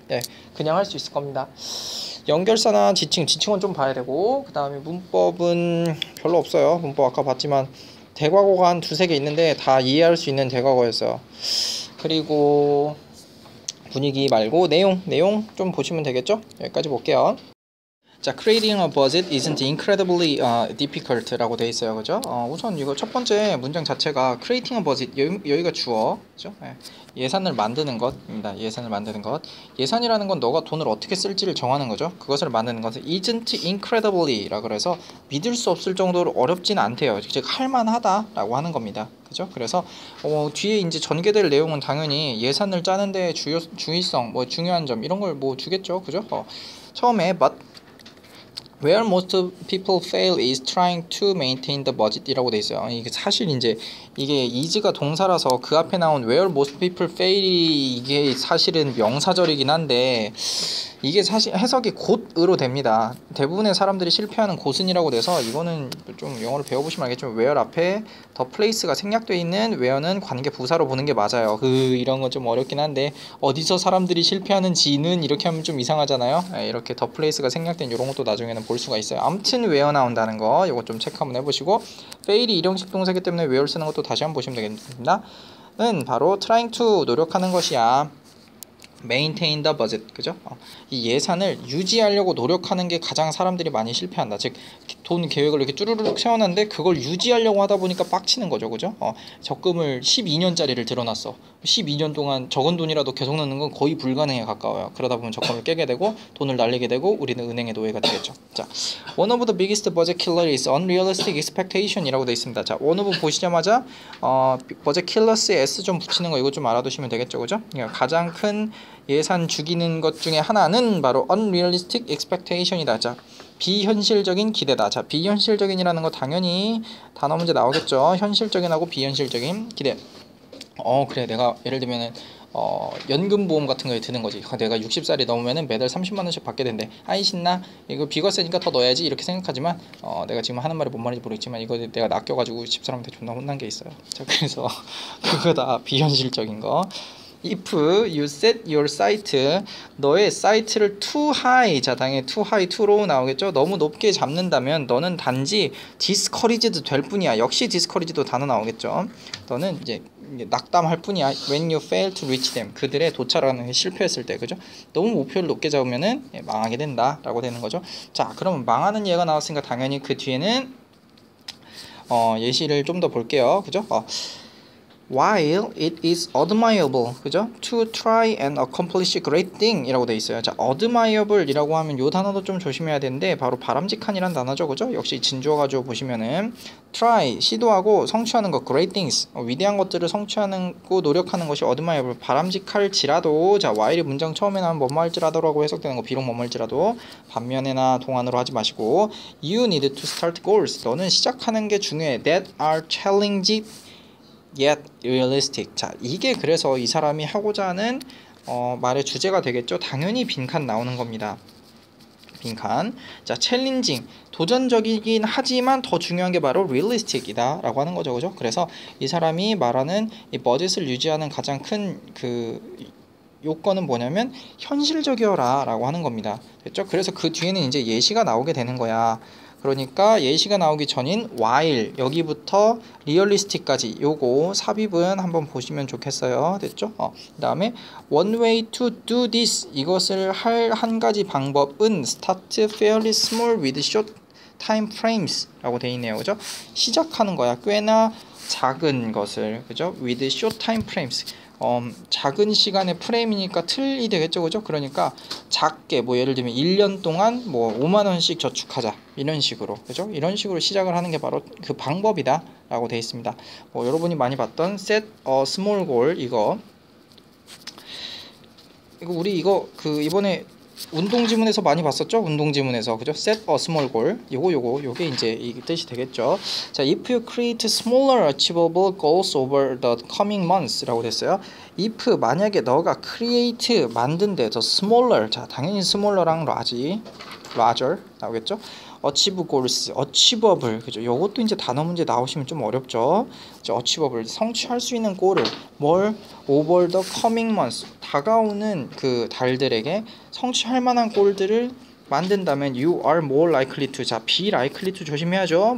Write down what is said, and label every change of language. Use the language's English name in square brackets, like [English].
[Korean] 예, 그냥 할 수 있을 겁니다. 연결사나 지칭은 좀 봐야 되고, 그 다음에 문법은 별로 없어요. 문법 아까 봤지만 대과거가 한 두세 개 있는데 다 이해할 수 있는 대과거였어요. 그리고 분위기 말고 내용 좀 보시면 되겠죠? 여기까지 볼게요. [English] 자, creating a budget isn't incredibly difficult [Korean] 라고 되어 있어요, [English] 그죠? [Korean] 우선 이거 첫 번째 문장 자체가 [English] creating a budget, [Korean] 여기가 주어, 그죠? 예산을 만드는 것입니다. 예산을 만드는 것. 예산이라는 건 너가 돈을 어떻게 쓸지를 정하는 거죠. 그것을 만드는 것은 [English] isn't incredibly [Korean] 라고 해서 믿을 수 없을 정도로 어렵진 않대요. 즉, 할만하다 라고 하는 겁니다, 그죠? 그래서 뒤에 이제 전개될 내용은 당연히 예산을 짜는데 중요성, 뭐 중요한 점 이런 걸 뭐 주겠죠, 그죠? [English] 처음에 but where most people fail is trying to maintain the budget [Korean] 이라고 돼 있어요. 이게 사실 이제 이게 is가 동사라서 그 앞에 나온 [English] where most people fail [Korean] 이게 사실은 명사절이긴 한데 이게 사실 해석이 곧으로 됩니다. 대부분의 사람들이 실패하는 곳은 이라고 돼서 이거는 좀 영어를 배워보시면 알겠지만 where 앞에 the place가 생략되어 있는 where는 관계 부사로 보는 게 맞아요. 그 이런 건 좀 어렵긴 한데 어디서 사람들이 실패하는지는 이렇게 하면 좀 이상하잖아요. 이렇게 the place가 생략된 이런 것도 나중에는 볼 수가 있어요. 아무튼 where 나온다는 거 이거 좀 체크 한번 해보시고 fail이 일형식 동사이기 때문에 where 쓰는 것도 다시 한번 보시면 되겠습니다. 는 바로 [English] trying to [Korean] 노력하는 것이야. [English] maintain the budget, 그죠? [Korean] 이 예산을 유지하려고 노력하는 게 가장 사람들이 많이 실패한다. 즉, 돈 계획을 이렇게 쭈루룩 세워놨는데 그걸 유지하려고 하다 보니까 빡치는 거죠, 그죠? 적금을 12년짜리를 들어놨어. 12년 동안 적은 돈이라도 계속 넣는 건 거의 불가능에 가까워요. 그러다 보면 적금을 깨게 되고 돈을 날리게 되고 우리는 은행의 노예가 되겠죠. [English] 자, one of the biggest budget killer is unrealistic expectation [Korean] 이라고 되어 있습니다. 자, one of 보시자마자 budget killer's S 좀 붙이는 거 이거 좀 알아두시면 되겠죠, 그죠? 가장 큰 예산 죽이는 것 중에 하나는 바로 [English] unrealistic expectation [Korean] 이다. 자, 비현실적인 기대다. 자, 비현실적인이라는 거 당연히 단어 문제 나오겠죠. 현실적인하고 비현실적인 기대. 그래, 내가 예를 들면 연금보험 같은 거에 드는 거지. 내가 60살이 넘으면 매달 30만 원씩 받게 된대. 아이 신나, 이거 비과세니까 더 넣어야지 이렇게 생각하지만 내가 지금 하는 말이 뭔 말인지 모르겠지만 이거 내가 낚여가지고 집사람한테 존나 혼난 게 있어요. 자, 그래서 그거다, 비현실적인 거. [English] If you set your sight, 너의 sight를 too high, [Korean] 자 당연히 [English] too high, too low 나오겠죠? [Korean] 너무 높게 잡는다면 너는 단지 discouraged 될 뿐이야. 역시 discouraged도 단어 나오겠죠? 너는 이제 낙담할 뿐이야. [English] When you fail to reach them, [Korean] 그들의 도착하는 게 실패했을 때, 그죠? 너무 목표를 높게 잡으면은 망하게 된다 라고 되는 거죠. 자, 그럼 망하는 예가 나왔으니까 당연히 그 뒤에는 예시를 좀 더 볼게요, 그죠? [English] While it is admirable, 그죠? To try and accomplish great thing [Korean] 이라고 돼 있어요. 자, admirable 이라고 하면 요 단어도 좀 조심해야 되는데 바로 바람직한 이란 단어죠, 그죠? 역시 진주어 가지고 보시면은 try, 시도하고 성취하는 것, [English] great things, [Korean] 위대한 것들을 성취하는 거, 노력하는 것이 admirable, 바람직할지라도. 자, while 문장 처음에 나면 뭐뭐 할지라도 라고 해석되는 거, 비록 뭐뭐 할지라도, 반면에나 동안으로 하지 마시고 [English] you need to start goals, [Korean] 너는 시작하는 게 중요해, [English] that are challenging yet realistic. [Korean] 자, 이게 그래서 이 사람이 하고자 하는 말의 주제가 되겠죠. 당연히 빈칸 나오는 겁니다. 빈칸. 자, challenging, 도전적이긴 하지만 더 중요한 게 바로 realistic이다 라고 하는 거죠, 그죠? 그래서 이 사람이 말하는 이 버짓을 유지하는 가장 큰 그 요건은 뭐냐면 현실적이어라 라고 하는 겁니다. 됐죠? 그래서 그 뒤에는 이제 예시가 나오게 되는 거야. 그러니까 예시가 나오기 전인 while 여기부터 realistic까지 요거 삽입은 한번 보시면 좋겠어요. 됐죠? [English] 그 다음에 one way to do this, [Korean] 이것을 할 한 가지 방법은 [English] start fairly small with short time frames [Korean] 라고 돼 있네요. 그죠? 시작하는 거야. 꽤나 작은 것을. 그죠? [English] with short time frames. [Korean] 작은 시간의 프레임이니까 틀이 되겠죠, 그죠? 그러니까 작게, 뭐 예를 들면 1년 동안 뭐 5만 원씩 저축하자, 이런 식으로, 그죠? 이런 식으로 시작을 하는 게 바로 그 방법이다 라고 되어 있습니다. 뭐 여러분이 많이 봤던 [English] set a small goal, [Korean] 이거 우리 이거 그 이번에 운동 지문에서 많이 봤었죠? 운동 지문에서, 그죠? [English] set a small goal, [Korean] 요게 이제 이 뜻이 되겠죠. [English] 자, if you create smaller achievable goals over the coming months [Korean] 라고 됐어요. if 만약에 너가 create 만든데 더 smaller, 자 당연히 smaller랑 larger 나오겠죠? [English] achieve goals, achievable, 그죠? [Korean] 요것도 이제 단어 문제 나오시면 좀 어렵죠. 이제 achievable, 성취할 수 있는 goal을 뭘 [English] over the coming months, [Korean] 다가오는 그 달들에게 성취할 만한 골들을 만든다면 [English] you are more likely to, [Korean] 자 [English] be likely to [Korean] 조심해야죠.